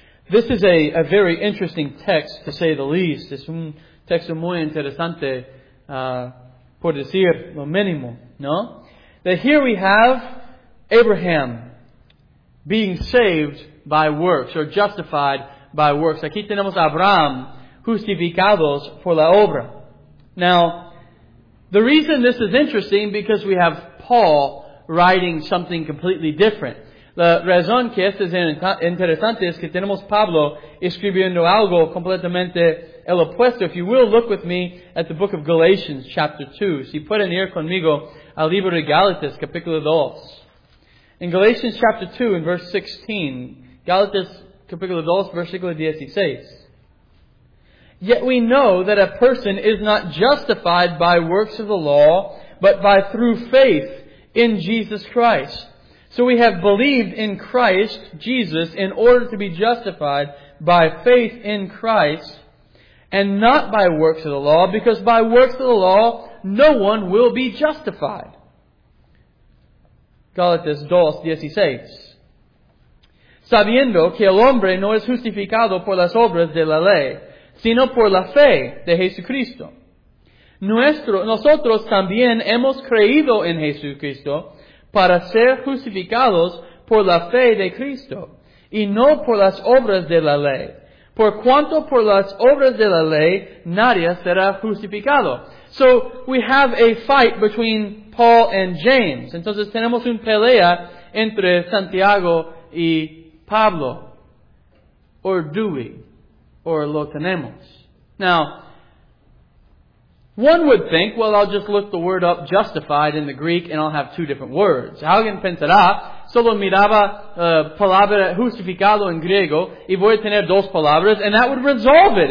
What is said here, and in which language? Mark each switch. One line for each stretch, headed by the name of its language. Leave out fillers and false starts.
English: This is a very interesting text, to say the least.
Spanish: Es un texto muy interesante, por decir lo mínimo, ¿no?
English: That here we have Abraham being saved by works, or justified by works.
Spanish: Aquí tenemos a Abraham, justificados por la obra.
English: Now, the reason this is interesting, because we have Paul writing something completely different.
Spanish: La razón que esto es interesante es que tenemos Pablo escribiendo algo completamente el opuesto.
English: If you will, look with me at the book of Galatians, chapter 2.
Spanish: Si pueden ir conmigo al libro de Gálatas, capítulo 2.
English: In Galatians, chapter 2, in verse 16,
Spanish: Galatas, capítulo 2, versículo 16.
English: Yet we know that a person is not justified by works of the law, but by through faith in Jesus Christ. So we have believed in Christ Jesus in order to be justified by faith in Christ and not by works of the law, because by works of the law no one will be justified.
Spanish: Galatas 2, 16. Sabiendo que el hombre no es justificado por las obras de la ley, sino por la fe de Jesucristo. Nosotros también hemos creído en Jesucristo para ser justificados por la fe de Cristo, y no por las obras de la ley. Por cuanto por las obras de la ley, nadie será justificado.
English: So, we have a fight between Paul and James.
Spanish: Entonces, tenemos una pelea entre Santiago y Pablo.
English: Or do we? Or
Spanish: lo tenemos?
English: Now, one would think, well, I'll just look the word up, justified, in the Greek, and I'll have two different words.
Spanish: Alguien pensará, solo miraba palabra justificado en griego, y voy a tener dos palabras,
English: and that would resolve it.